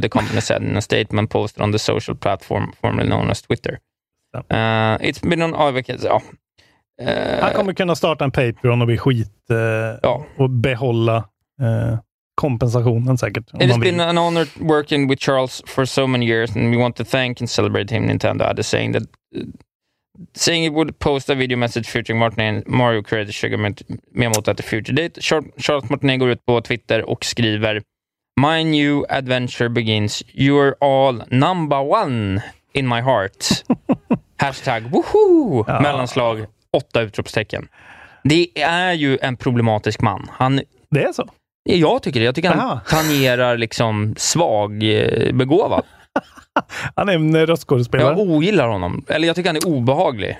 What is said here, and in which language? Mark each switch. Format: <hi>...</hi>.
<en>The company said in a statement posted on the social platform formerly known as Twitter. It's been on...</en> <sv>Han kommer kunna starta en Patreon och bli skit och behålla kompensationen säkert.</sv> <en>It's been an honor working with Charles for so many years and we want to thank and celebrate him, Nintendo added, saying it would post a video message featuring Martin and Mario created Sugar Miyamoto at a future date.</en> <sv>Charles Martinet går ut på Twitter och skriver:</sv> <en>my new adventure begins. You are all number one in my heart. Hashtag woohoo!</en> <sv>Mellanslag 8 utropstecken. Det är ju en problematisk man. Han Det är så. Jag tycker det. Jag tycker han tangerar liksom svag begåva. Han är en röstskådespelare. Jag ogillar honom. Eller jag tycker han är obehaglig.</sv>